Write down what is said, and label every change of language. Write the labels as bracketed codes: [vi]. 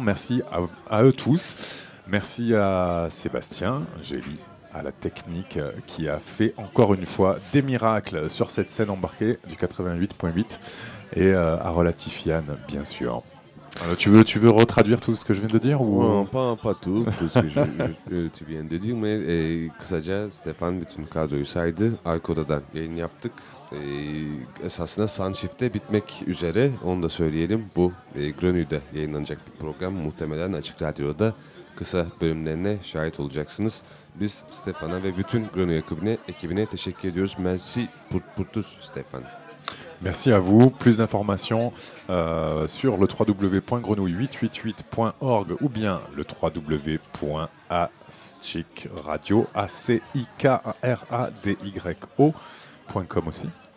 [fr] Merci à eux tous. Merci à Sébastien Gély à la technique, qui a fait encore une fois des miracles sur cette scène embarquée du 88.8, et à Relatif Yann, bien sûr. Alors, tu veux retraduire tout ce que je viens de dire ou... Non, pas tout, tout ce que tu viens de dire, mais [tr] kısaca Stefan bütün kadroysaydı, Arkoda'dan yayın yaptık. Esasında Soundshift'te bitmek üzere, onu da söyleyelim. Bu Grenouille'de yayınlanacak bir program, muhtemelen Açık Radyo'da kısa bölümlerine şahit olacaksınız. Biz Stefan'a ve bütün Grenouille ekibine teşekkür ediyoruz. [fr] Merci pour tous, Stefan. Merci à vous. Plus d'informations sur le www.grenouille888.org ou bien le www.acikradio.com aussi.